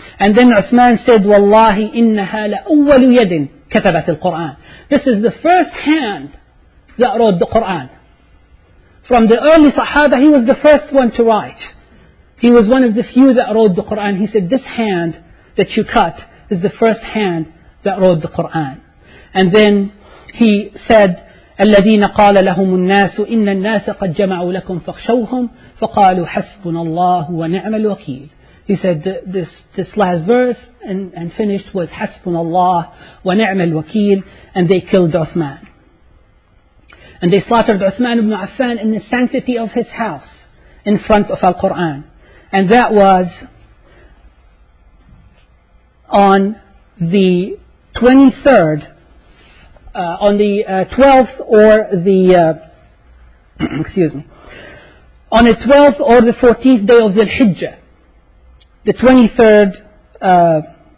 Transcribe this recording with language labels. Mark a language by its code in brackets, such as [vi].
[en] And then Uthman said, [ar] "Wallahi, innaha la awwalu yadin katabat al-Quran." [en] This is the first hand that wrote the Quran. From the early Sahaba, he was the first one to write. He was one of the few that wrote the Qur'an. He said, this hand that you cut is the first hand that wrote the Qur'an. And then he said, [ar] الَّذِينَ قَالَ لَهُمُ النَّاسُ إِنَّ النَّاسَ قَدْ جَمَعُوا لَكُمْ فَخْشَوْهُمْ فَقَالُوا حَسْبُنَ اللَّهُ وَنِعْمَ الْوَكِيلُ. [en] He said this last verse and finished with [ar] حَسْبُنَ اللَّهُ وَنِعْمَ الْوَكِيلُ. [en] And they killed Uthman. And they slaughtered Uthman ibn Affan in the sanctity of his house, in front of Al-Quran. And that was on the 23rd, on the 12th or the, excuse me, on the 12th or the 14th day of Dhul-Hijjah, the 23rd,